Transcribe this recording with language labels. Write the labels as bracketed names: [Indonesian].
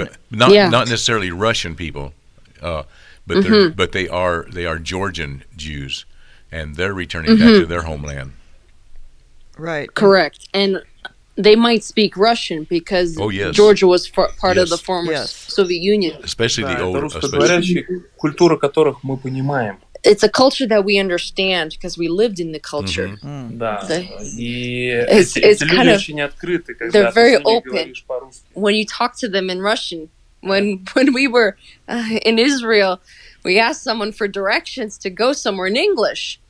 [English] Not necessarily Russian people, but they are Georgian Jews, and they're returning back to their homeland. Right. Correct. And they might speak Russian because Georgia was part of the former Soviet Union. Especially the old. [Russian] Культура которых мы понимаем. [English] It's a culture that we understand because we lived in the culture. They're very open. When you talk to them in Russian, when we were in Israel, we asked someone for directions to go somewhere in English.